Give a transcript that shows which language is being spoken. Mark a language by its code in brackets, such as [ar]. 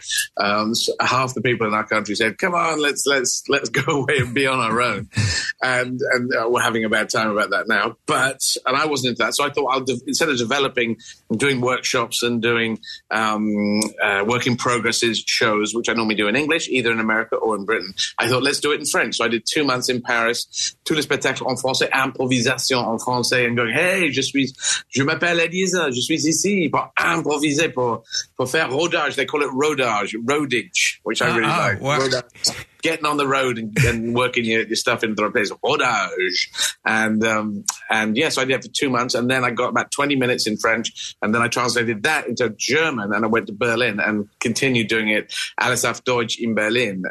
[en] So half the people in our country said, come on, let's go away and be on our own. And we're having a bad time about that now. And I wasn't into that. So I thought instead of developing and doing workshops and doing work in progress shows, which I normally do in English, either in America or in Britain, I thought, let's do it in French. So I did 2 months in Paris, [fr] tout le spectacle en français, improvisation en français, [en] and going, hey, [fr] je m'appelle Elisa, je suis ici pour improviser, pour faire rodage. [en] They call it rodage, rodage, which I really like. Wow. Getting on the road and working your stuff in the right place, rodage. And so I did it for 2 months, and then I got about 20 minutes in French, and then I translated that into German, and I went to Berlin and continued doing it, [de] Alles auf Deutsch in Berlin.